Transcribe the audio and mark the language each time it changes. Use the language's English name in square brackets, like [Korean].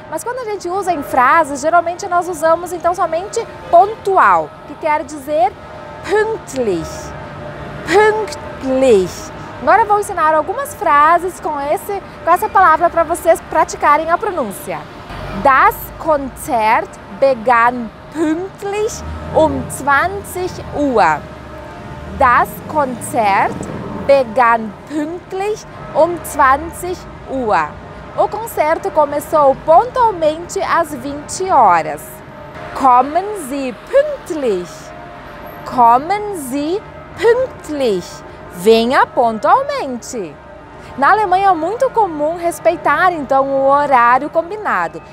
[Portuguese] Mas quando a gente usa em frases, geralmente nós usamos então somente pontual, que quer dizer pünktlich. Pünktlich. Agora eu vou ensinar algumas frases com essa palavra para vocês praticarem a pronúncia. [German] Das Konzert begann pünktlich um 20 Uhr. Das Konzert begann pünktlich um 20 Uhr. [Portuguese] O concerto começou pontualmente às 20 horas. [German] Kommen Sie pünktlich. Kommen Sie pünktlich. [Portuguese] Venha pontualmente. Na Alemanha é muito comum respeitar então o horário combinado.